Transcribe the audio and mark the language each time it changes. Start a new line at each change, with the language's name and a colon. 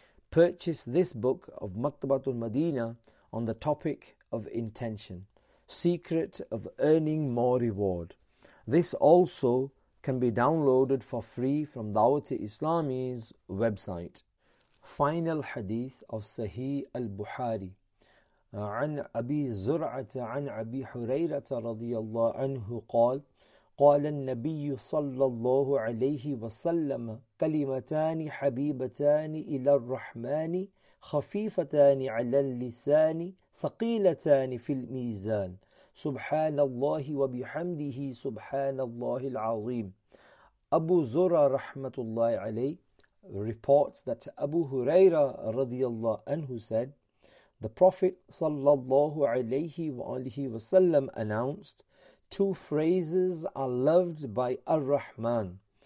English: Purchase this book of Maktabatul Madina on the topic of intention, Secret of Earning More Reward. This also can be downloaded for free from Dawat-e-Islami's website." Final hadith of Sahih al-Bukhari.
Arabic: عن أبي زرعة عن أبي حريرة رضي الله عنه قال قال النبي صلى الله عليه وسلم كلمتان حبيبتان إلى الرحمن خفيفتان على اللسان ثقيلتان في الميزان سبحان الله وبحمده سبحان الله العظيم.
English: أبو زرعة
Arabic: رحمة الله عليه
English: reports that Abu Huraira
Arabic: رضي الله عنه
English: said, "The Prophet sallallahu alayhi wa alihi wasallam announced, 'Two phrases are loved by Ar-Rahman.